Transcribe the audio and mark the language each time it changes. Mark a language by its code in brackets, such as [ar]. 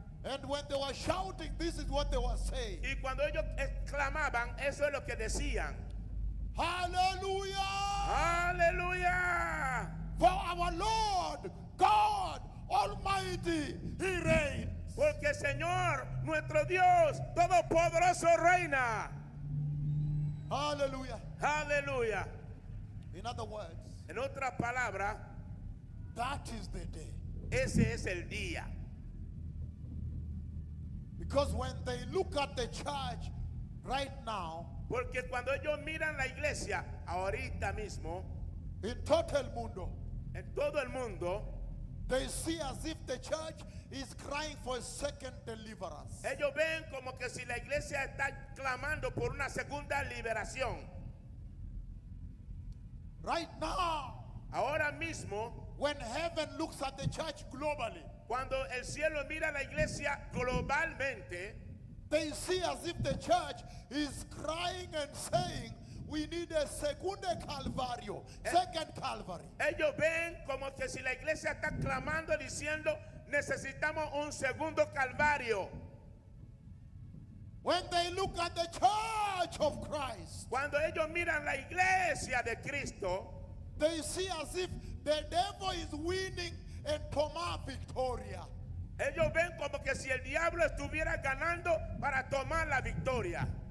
[en] and when they were shouting, this is what they were saying. [es] Y cuando ellos exclamaban, eso es lo que decían. [en] Hallelujah! [es] Hallelujah! [en] For our Lord God Almighty, He reigns. [es] Porque Señor, nuestro Dios Todopoderoso reina. [en] Hallelujah! [es] Hallelujah! [en] In other words, [es] en otra palabra, [en] that is the day. [es] Ese es el día. [en] Because when they look at the church right now, [es] porque cuando ellos miran la iglesia ahorita mismo, in todo el mundo, en todo el mundo, [en] they see as if the church is crying for a second deliverance. [es] Ellos ven como que si la iglesia está clamando por una segunda liberación. [en] Right now, [es] ahora mismo, [en] when heaven looks at the church globally, [es] cuando el cielo mira a la iglesia globalmente, [en] they see as if the church is crying and saying, we need a [es] segundo calvario, [en] second calvary. [es] Ellos ven como que si la iglesia está clamando diciendo, necesitamos un segundo calvario. [en] When they look at the church of Christ, [es] cuando ellos miran la iglesia de Cristo, [en] they see as if the devil is winning and [es] tomar victoria. Ellos ven como que si el diablo estuviera ganando para tomar la victoria.